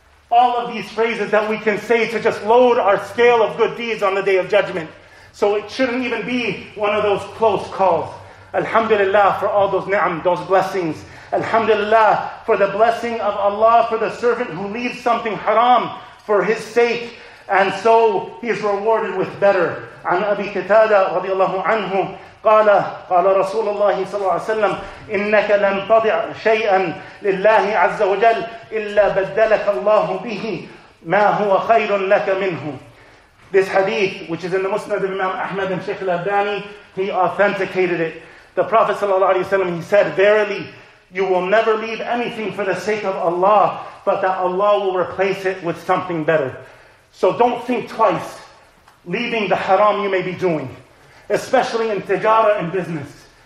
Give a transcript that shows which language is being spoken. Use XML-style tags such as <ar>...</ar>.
<en>All of these phrases that we can say to just load our scale of good deeds on the Day of Judgment. So it shouldn't even be one of those close calls. Alhamdulillah for all those ni'am, those blessings. Alhamdulillah for the blessing of Allah, for the servant who leaves something haram for his sake. And so he is rewarded with better.</en> <ar>عن أبي كتادة رضي الله عنه قال قال رسول الله صلى الله عليه وسلم إنك لم تضع شيئا لله عز وجل إلا بدلك الله به ما هو خير لك منه.</ar> <en>This hadith, which is in the Musnad of Imam Ahmad and Sheikh al-Albani, he authenticated it. The Prophet</en> <ar>صلى الله عليه وسلم,</ar> <en>he said, verily, you will never leave anything for the sake of Allah, but that Allah will replace it with something better. So don't think twice leaving the haram you may be doing, especially in tijara and business.</en>